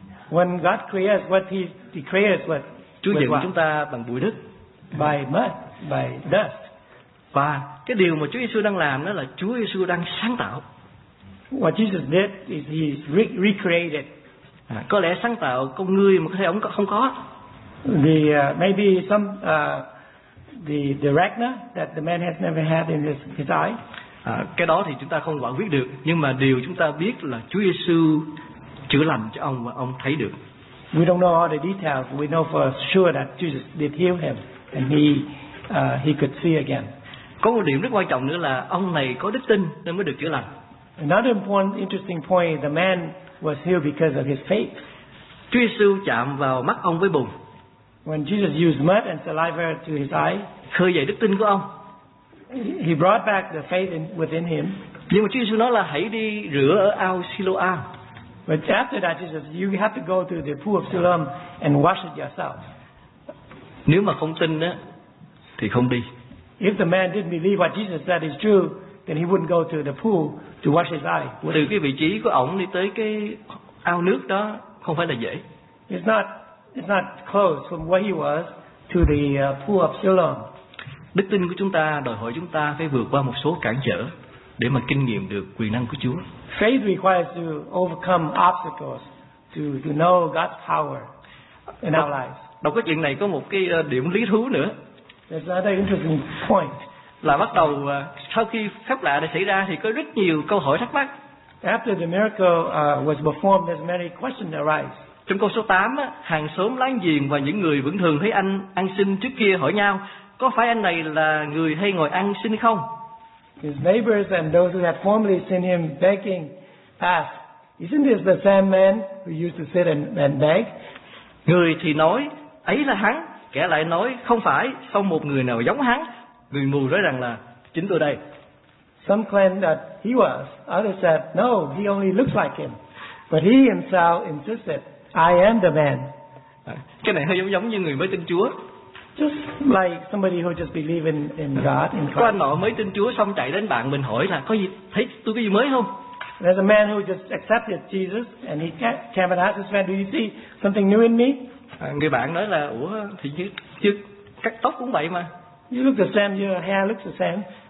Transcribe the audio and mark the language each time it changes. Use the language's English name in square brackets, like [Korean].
[English] When God creates what he creates what? [Vietnamese] Chúa dựng chúng ta bằng bụi đất. [English] By mud, by dust. [Vietnamese] Và cái điều mà Chúa Giêsu đang làm đó là Chúa Giêsu đang sáng tạo. [English] What Jesus did is he recreated. [Vietnamese] Có lẽ sáng tạo con người mà có thể ông không có. [English] The maybe some the retina that the man has never had in his eye. [Vietnamese] Cái đó thì chúng ta không quả quyết được, nhưng mà điều chúng ta biết là Chúa Giêsu chữa lành cho ông và ông thấy được. [English] We don't know all the details. We know for sure that Jesus did heal him and he could see again. [Vietnamese] Có một điểm rất quan trọng nữa là ông này có đức tin nên mới được chữa lành. [English] Another important interesting point, the man was healed because of his faith. [Vietnamese] Chúa Giêsu chạm vào mắt ông với bùn. [English] When Jesus used mud and saliva to his eye, [Vietnamese] khơi dậy đức tin của ông. [English] He brought back the faith within him. [Vietnamese] Nhưng mà Chúa Giêsu nói là hãy đi rửa ở ao Siloam. [English] But after that, Jesus, you have to go to the pool of Siloam and wash it yourself. [Vietnamese] Nếu mà không tin á, thì không đi. [English] If the man didn't believe what Jesus said is true, then he wouldn't go to the pool to wash his eye. [Vietnamese] Từ cái vị trí của ổng đi tới cái ao nước đó không phải là dễ. [English] It's not close from where he was to the pool of Siloam. [Vietnamese] Đức tin của chúng ta đòi hỏi chúng ta phải vượt qua một số cản trở để mà kinh nghiệm được quyền năng của Chúa. [English] Faith requires to overcome obstacles to know God's power in our lives. [Vietnamese] Đọc cái chuyện này có một cái điểm lý thú nữa. [English] There's another interesting point. [Vietnamese] Là bắt đầu sau khi phép lạ đã xảy ra thì có rất nhiều câu hỏi thắc mắc. [English] After the miracle was performed, there's many questions arise. [Vietnamese] Trong câu số 8, hàng xóm láng giềng và những người vẫn thường thấy anh ăn xin trước kia hỏi nhau, có phải anh này là người hay ngồi ăn xin không? [English] His neighbors and those who had formerly seen him begging asked, isn't this the same man who used to sit and beg? [Vietnamese] Người thì nói, ấy là hắn. Kẻ lại nói, không phải, không một người nào giống hắn. Người mù nói rằng là, chính tôi đây. [English] Some claimed that he was. Others said, no, he only looks like him. But he himself insisted, I am the man. [Vietnamese] Cái này hơi giống như người mới tin Chúa. [English] Just like somebody who just believe in God. In [Vietnamese] có anh nọ mới tin Chúa xong chạy đến bạn mình hỏi là có gì thấy tôi có gì mới không? [English] There's a man who just accepted Jesus and he came and asked his friend, do you see something new in me? [Vietnamese] Người bạn nói là ủa thì như cắt tóc cũng vậy mà. [English] You look the same, your hair looks the same.